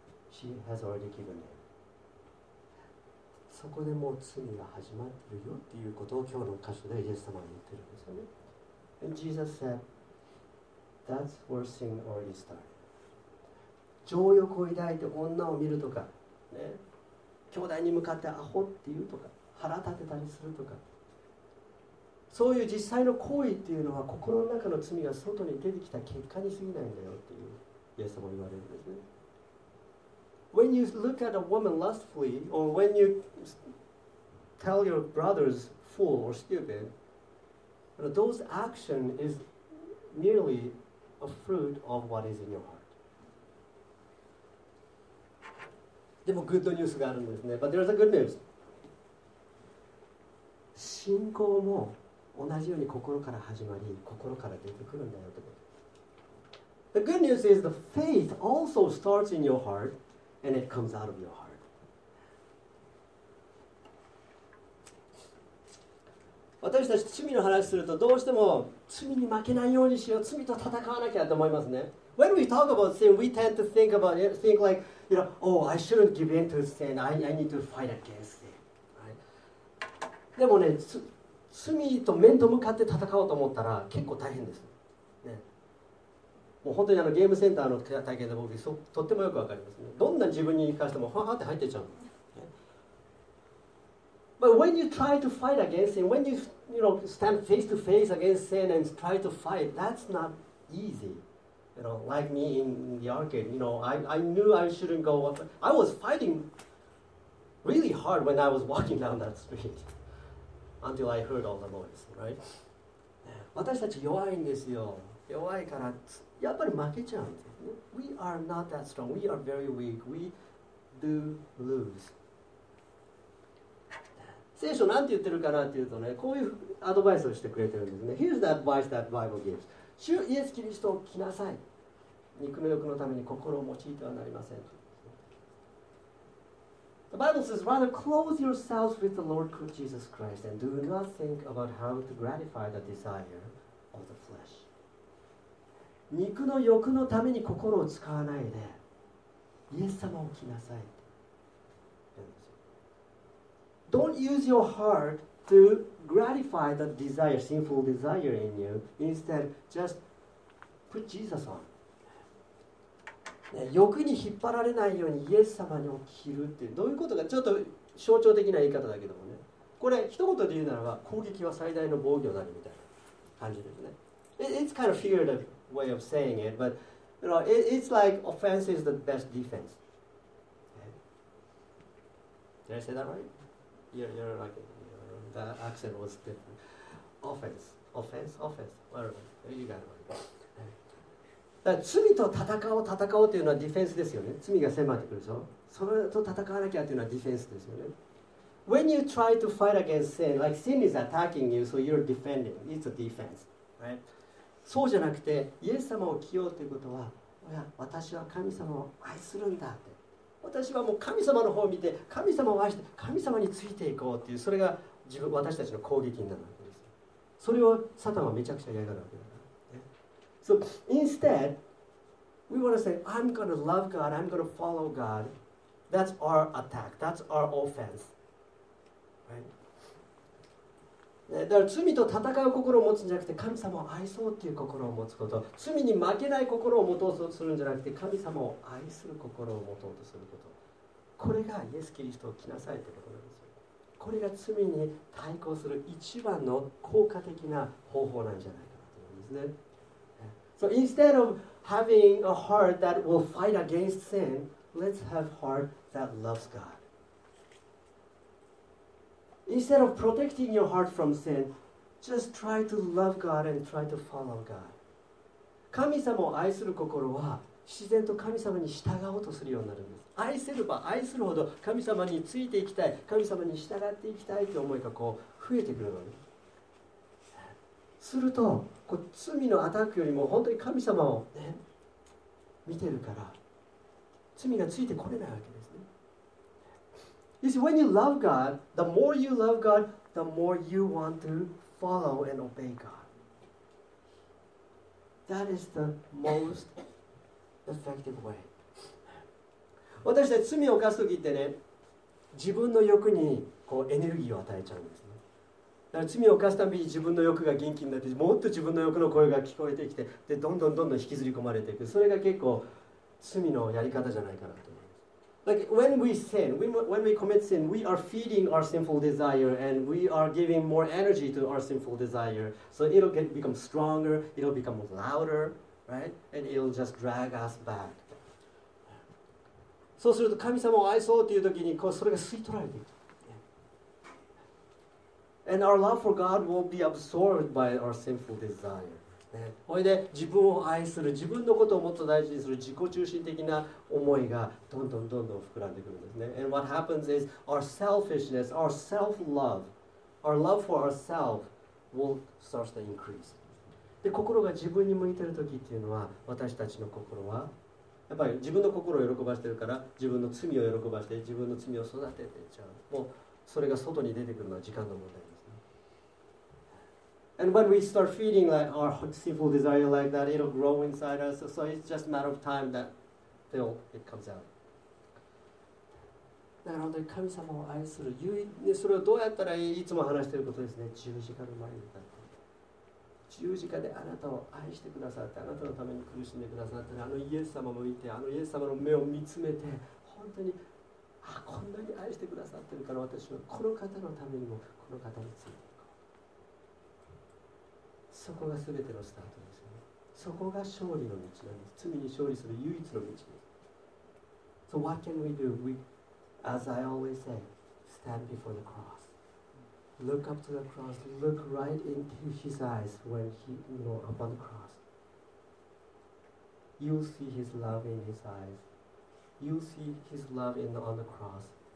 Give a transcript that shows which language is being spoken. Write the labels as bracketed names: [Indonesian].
[English] She has already given in. [Japanese] そこでもう罪が始まってるよっていうことを今日の箇所でイエス様が言ってるんですよね。 [English] And Jesus said, that's where sin already started. [Japanese] 情欲を抱いて女を見るとか、ね、兄弟に向かってアホって言うとか、腹立てたりするとか、そういう実際の行為っていうのは、心の中の罪が外に出てきた結果に過ぎないんだよっていう、イエス様も言われるんですね。 [English] When you look at a woman lustfully, or when you tell your brothers fool or stupid, those action is merely a fruit of what is in your heart. [Japanese] でもグッドニュースがあるんですね。 [English] But there's a good news. [Japanese] 信仰も同じように心から始まり、心から出てくるんだよってこと。 [English] The good news is the faith also starts in your heart and it comes out of your heart. [Japanese] 私たち罪の話するとどうしても罪に負けないようにしよう、罪と戦わなきゃと思いますね。 [English] When we talk about sin, we tend to think about it, think like,You know, oh, I shouldn't give in to sin. I need to fight against it.、Right? [Japanese] でもね、罪と面と向かって戦おうと思ったら結構大変です。ね、もう本当にあのゲームセンターの体験で僕とってもよくわかりますね。どんな自分に関してもファーって入ってちゃう、ね。 [English] But when you try to fight against sin, when you know, stand face to face against sin and try to fight, that's not easy. You know, like me in the arcade, you know, I knew I shouldn't go up. I was fighting really hard when I was walking down that street until I heard all the noise, right? [Japanese] 私たち弱いんですよ。弱いからやっぱり負けちゃうんですよ。 [English] We are not that strong. We are very weak. We do lose. [Japanese] 聖書なんて言ってるかなっていうとね、こういうアドバイスをしてくれてるんですね。 [English] Here's the advice that Bible gives. [Japanese] 主イエスキリストを着なさい。肉の欲のために心を用いてはなりません。 [English] The Bible says, rather clothe yourselves with the Lord Jesus Christ and do not think about how to gratify the desire of the flesh. [Japanese] 肉の欲のために心を使わないで、イエス様を着なさい。 [English] Don't use your heart to gratify the desire, sinful desire in you. Instead, just put Jesus on. [Japanese] ね、欲に引っ張られないようにイエス様に置きるっていうどういうことか、ちょっと象徴的な言い方だけどもね、これ一言で言うならば攻撃は最大の防御なりみたいな感じですね。 [English] It's kind of figurative way of saying it, but you know, it's like offense is the best defense. Did I say that right? You're like, the accent was different. Offense. Well, you got it right. [Japanese] 罪と戦おうというのはディフェンスですよね。罪が迫ってくるでしょ。それと戦わなきゃというのはディフェンスですよね。 [English] When you try to fight against sin, like sin is attacking you, so you're defending. It's a defense, right? [Japanese] そうじゃなくて、イエス様を着ようということは、いや、私は神様を愛するんだって。私はもう神様の方を見て、神様を愛して、神様についていこうっていう、それが自分私たちの攻撃になるわけです。それをサタンはめちゃくちゃ嫌がるわけだから。 [English] So instead, we want to say, I'm going to love God, I'm going to follow God. That's our attack, that's our offense. Right. [Japanese] だから罪と戦う心を持つんじゃなくて神様を愛そうっていう心を持つこと、罪に負けない心を持とうとするんじゃなくて神様を愛する心を持とうとすること、これがイエス・キリストを着なさいってことなんですよ。これが罪に対抗する一番の効果的な方法なんじゃないかなと思うんですね。 [English] So instead of having a heart that will fight against sin, let's have a heart that loves GodInstead of protecting your heart from sin, just try to love God and try to follow God. [Japanese] 神様を愛する心は自然と神様に従おうとするようになるんです。愛せれば愛するほど神様についていきたい、神様に従っていきたいという思いがこう増えてくるのです。するとこう罪のアタックよりも本当に神様を、ね、見てるから罪がついてこれないわけです。 [English] You see, when you love God, the more you love God, the more you want to follow and obey God. That is the most effective way. [Japanese] 私たち罪を犯すときってね、自分の欲にこうエネルギーを与えちゃうんですね。だから罪を犯すたびに自分の欲が元気になって、もっと自分の欲の声が聞こえてきて、でどんどんどんどん引きずり込まれていく。それが結構罪のやり方じゃないかなと。 [English] Like when we sin, when we commit sin, we are feeding our sinful desire and we are giving more energy to our sinful desire. So it'll get, become stronger, it'll become louder, right? And it'll just drag us back. [Japanese] そうすると神様を愛そうという時にこうそれが吸い取られていく。 [English] And our love for God will be absorbed by our sinful desire. [Japanese] ね、おいで自分を愛する、自分のことをもっと大事にする自己中心的な思いがどんどんどんどん膨らんでくるんですね。 [English] And what happens is our selfishness, our self-love, our love for ourselves will start to increase. [Japanese] で心が自分に向いてる時っていうのは私たちの心はやっぱり自分の心を喜ばしてるから自分の罪を喜ばして自分の罪を育てていっちゃう。もうそれが外に出てくるのは時間の問題。 [English] And when we start feeding like our sinful desire like that, it'll grow inside us. So it's just a matter of time that till it comes out. [Japanese] だから本当に神様を愛する、それをどうやったらいい、いつも話していることですね。十字架の前に立って、十字架であなたを愛してくださって、あなたのために苦しんでくださって、あのイエス様を見て、あのイエス様の目を見つめて、本当にあこんなに愛してくださってるから私はこの方のためにもこの方について。そこが全てのスタートですよね。そこが勝利の道なんです。罪に勝利する唯一の道です。 [English] So what can we do? We, as I always say, stand before the cross. Look up to the cross. Look right into his eyes when he, you know, upon the cross. You'll see his love in his eyes. You'll see his love in, on the cross.